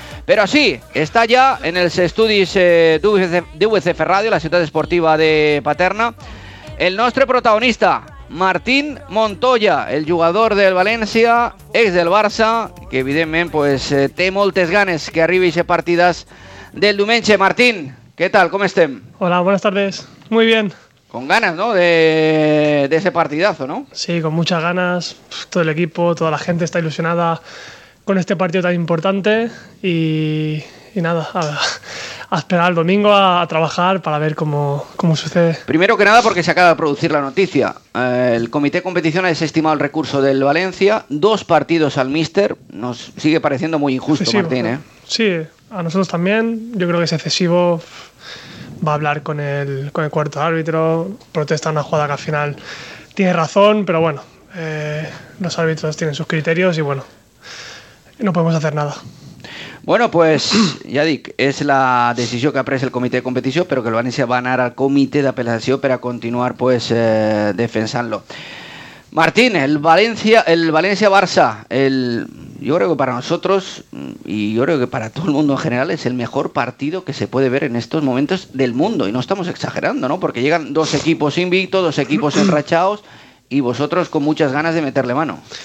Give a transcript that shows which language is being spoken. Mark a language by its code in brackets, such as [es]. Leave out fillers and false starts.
[ca] Però sí, està ja en els estudis d'UVCF Ràdio, la ciutat esportiva de Paterna, el nostre protagonista, Martín Montoya, el jugador del València, ex del Barça, que evidentment pues, té moltes ganes que arribi a partidàs del diumenge. Martín, què tal, com estem? [es] Hola, buenas tardes, muy bien. Con ganas, ¿no?, de ese partidazo, ¿no? Sí, con muchas ganas, todo el equipo, toda la gente está ilusionada con este partido tan importante y nada, a esperar el domingo a trabajar para ver cómo sucede. Primero que nada, porque se acaba de producir la noticia, el comité de competición ha desestimado el recurso del Valencia, 2 partidos al míster, nos sigue pareciendo muy injusto, excesivo, Martín, ¿eh? Sí, a nosotros también, yo creo que es excesivo, va a hablar con el cuarto árbitro, protesta una jugada que al final tiene razón, pero bueno, los árbitros tienen sus criterios y bueno, no podemos hacer nada. [ca] Bueno, pues ya dic, és la decisió que ha pres el comitè de competició, però que el València va anar al comitè d'apel·lació per a continuar pues, defensant-lo. [es] Martín, el València-Barça, yo creo que para nosotros y yo creo que para todo el mundo en general es el mejor partido que se puede ver en estos momentos del mundo, y no estamos exagerando, ¿no? Porque llegan 2 equipos invictos, 2 equipos enrachados y vosotros con muchas ganas de meterle mano.